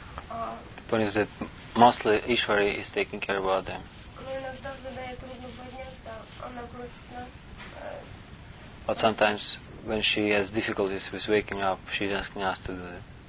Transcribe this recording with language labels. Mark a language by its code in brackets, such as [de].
[en] The point is that mostly Ishwari is taking care about them. [ru] Но иногда, когда ей трудно подняться, она просит нас. [en] But sometimes when she has difficulties with waking up, she's asking us to do it.